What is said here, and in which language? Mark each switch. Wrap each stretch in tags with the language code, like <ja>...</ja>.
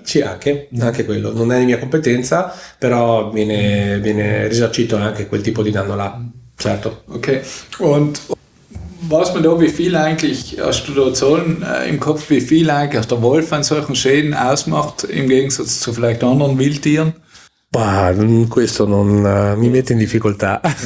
<it>Sì, anche quello. Non è di mia competenza, però viene risarcito anche quel tipo di danno là, certo.</it> <de>Ok, und weiß man da, wie viel eigentlich, hast du da Zahlen im Kopf, wie viel eigentlich auch der Wolf an solchen Schäden ausmacht, im Gegensatz zu vielleicht anderen Wildtieren?</de> <it>Bah, questo non mi mette in difficoltà.</it>